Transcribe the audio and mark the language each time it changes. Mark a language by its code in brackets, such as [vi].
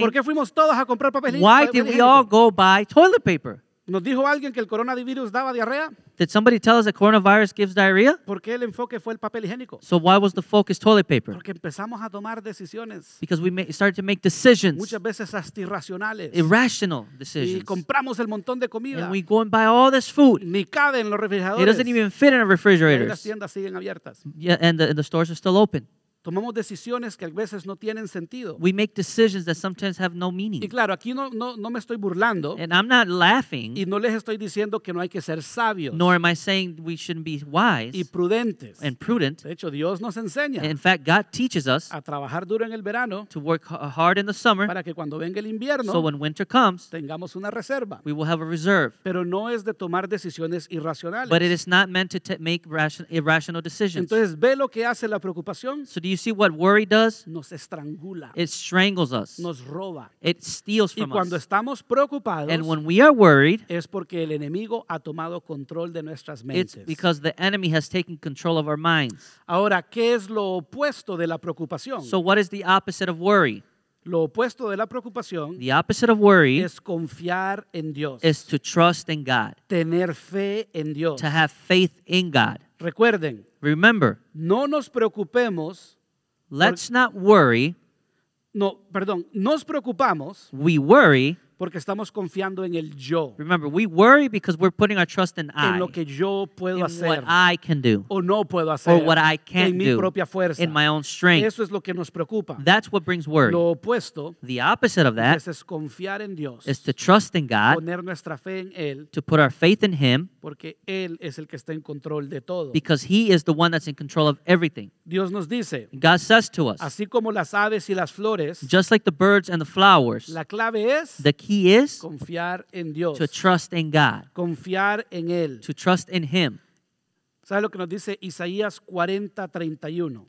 [es] ¿Por qué fuimos todos a comprar papel higiénico? [en] Why did we all go buy toilet paper? [es] ¿Nos dijo alguien que el coronavirus daba diarrea? [en] Did somebody tell us that coronavirus gives diarrhea? [es] ¿Por qué el enfoque fue el papel higiénico? [en] So why was the focus toilet paper? [es] Porque empezamos a tomar decisiones. [en] Because we started to make decisions. [es] Muchas veces hasta irracionales. [en] Irrational decisions. [es] Y compramos el montón de comida. [en] And we go and buy all this food. [es] Ni cabe en los refrigeradores. [en] It doesn't even fit in a refrigerator. [es] Las tiendas siguen abiertas. [en] Yeah, and the stores are still open. [es] Tomamos decisiones que a veces no tienen sentido. [en] We make decisions that sometimes have no meaning. [es] Y claro, aquí no me estoy burlando. [en] And I'm not laughing. [es] Y no les estoy diciendo que no hay que ser sabios. [en] Nor am I saying we shouldn't be wise. [es] Y prudentes. [en] And prudent. [es] De hecho, Dios nos enseña. [en] In fact, God teaches us. [es] A trabajar duro en el verano. [en] To work hard in the summer. [es] Para que cuando venga el invierno. [en] So when winter comes. [es] Tengamos una reserva. [en] We will have a reserve. [es] Pero no es de tomar decisiones irracionales. [en] But it is not meant to make irrational decisions. [es] Entonces, ve lo que hace la preocupación. [en] So you see what worry does? [es] Nos estrangula. [en] It strangles us. [es] Nos roba. [en] It steals from us. [es] Y cuando estamos preocupados, [en] and when we are worried, [es] es porque el enemigo ha tomado control de nuestras mentes. [en] It's because the enemy has taken control of our minds. [es] Ahora, ¿qué es lo opuesto de la preocupación? [en] So what is the opposite of worry? [es] Lo opuesto de la preocupación, [en] the opposite of worry, [es] es confiar en Dios. [en] Is to trust in God. [es] Tener fe en Dios. [en] To have faith in God. [es] Recuerden, [en] remember, [es] no nos preocupemos. [en] Let's not worry. [es] No, perdón, nos preocupamos. [en] We worry [es] porque estamos confiando en el yo. [en] Remember, we worry because we're putting our trust in I. [es] En lo que yo puedo [en] in [es] hacer. [en] What I can do. [es] O no puedo hacer. [en] Or what I can do. [es] En mi propia fuerza. [en] In my own strength. [es] Eso es lo que nos preocupa. [en] That's what brings worry. [es] Lo opuesto. [en] The opposite of that. [es] Es confiar en Dios. [en] Is to trust in God. [es] Poner nuestra fe en Él. [en] To put our faith in Him. [es] Porque Él es el que está en control de todo. [en] Because He is the one that's in control of everything. [es] Dios nos dice. [en] God says to us. [es] Así como las aves y las flores. [en] Just like the birds and the flowers. [es] La clave es. [en] The He is [es] confiar en Dios. [en] To trust in God. [es] Confiar en Él. [en] To trust in Him. [es] ¿Sabes lo que nos dice Isaías 40:31?